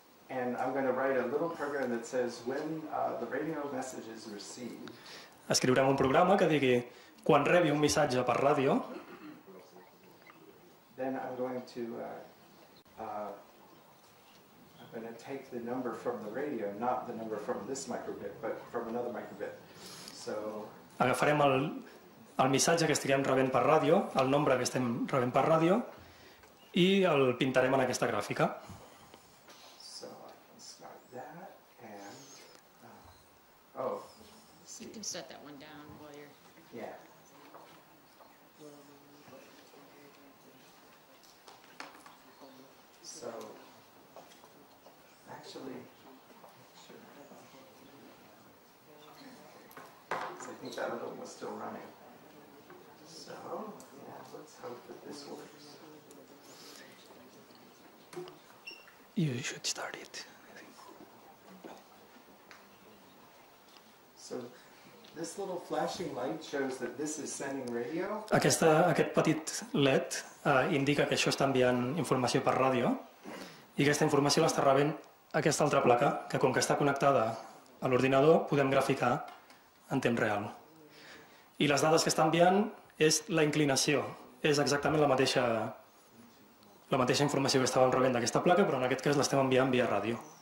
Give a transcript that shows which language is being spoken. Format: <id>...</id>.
<en>And I'm going to write a little program that says when the radio message is received.</en> <ca>Escriurem un programa que digui quan rebi un missatge per ràdio.</ca> <en>Then I'm going to take the number from the radio, not the number from this microbit, but from another microbit. So</en> <ca>agafarem el missatge que estiguem rebent per ràdio, el nombre que estem rebent per ràdio, i el pintarem en aquesta gràfica.</ca> <en>So I can start that and you can set that one down while you're So actually I think that other one was still running. So yeah, let's hope that this works. You should start it. So this little flashing light shows that this is sending radio.</en> <ca>Aquest petit LED indica que això està enviant informació per ràdio i aquesta informació l'està rebent aquesta altra placa, que com que està connectada a l'ordinador, podem graficar en temps real. I les dades que està enviant és la inclinació, és exactament la mateixa informació que estàvem rebent d'aquesta placa, però en aquest cas l'estem enviant via ràdio.</ca>